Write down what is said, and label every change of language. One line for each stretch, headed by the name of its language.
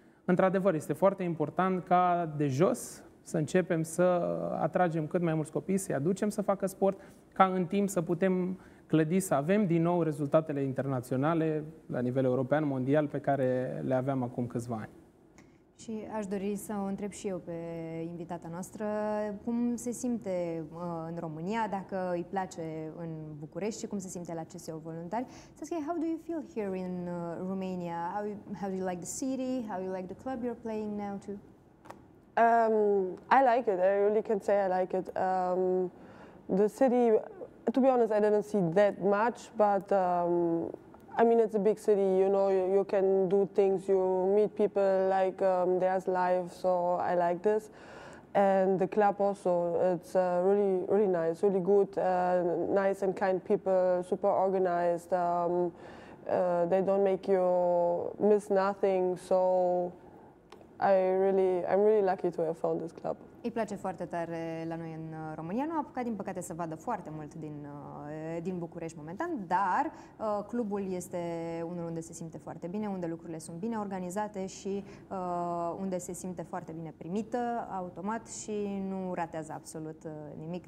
Romanian: Într-adevăr, este foarte important ca de jos să începem să atragem cât mai mulți copii, să-i aducem să facă sport, ca în timp să putem clădi, să avem din nou rezultatele internaționale la nivel european, mondial, pe care le aveam acum câțiva ani. Și aș dori să o întreb și eu pe invitata noastră cum se simte în România, dacă îi place în București și cum se simte la CSEO Voluntari.
English: Saskia, how do you feel here in Romania? How do you like the city? How do you like the club you're playing now too? I like it. I really can say I like it. The city, to be honest, I didn't see that much, but I mean, it's a big city, you know, you can do things, you meet people, like there's life, so I like this. And the club also, it's really, really nice, really good, nice and kind people, super organized. They don't make you miss nothing, so I'm really lucky to have found this club.
Romanian: Îi place foarte tare la noi în România. Nu a apucat, din păcate, să vadă foarte mult din București momentan, dar clubul este unul unde se simte foarte bine, unde lucrurile sunt bine organizate și unde se simte foarte bine primită, automat, și nu ratează absolut nimic.